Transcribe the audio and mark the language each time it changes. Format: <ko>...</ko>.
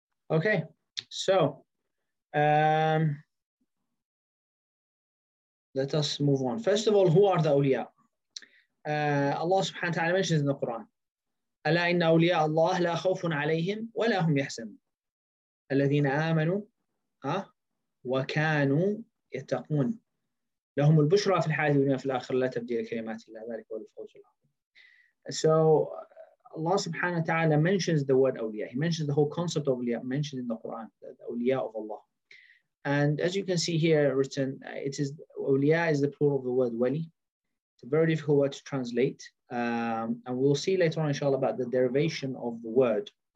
<en>Okay, so let us move on. First of all, who are the awliya? Allah subhanahu wa ta'ala mentions in the Quran,</en> <ar>أَلَا إِنَّ أَوْلِيَاءَ اللَّهِ لَا خَوْفٌ عَلَيْهِمْ وَلَا هُمْ يَحْزَنُونَ الَّذِينَ آمَنُوا وَكَانُوا يَتَّقُونَ لَهُمُ الْبُشْرَى فِي الْحَيَاةِ الدُّنْيَا فِي الْآخِرَةِ لَا تَبْدِيلَ لِكَلِمَاتِ اللَّهِ ذَلِكَ هُوَ الْفَوْزُ الْعَظِيمُ.</ar> <en>So Allah subhanahu wa ta'ala mentions the word awliya. He mentions the whole concept of awliya mentioned in the Quran, the awliya of Allah. And as you can see here written, it is awliya is the plural of the word wali. It's a very difficult word to translate. And we'll see later on, inshallah, about the derivation of the word.</en>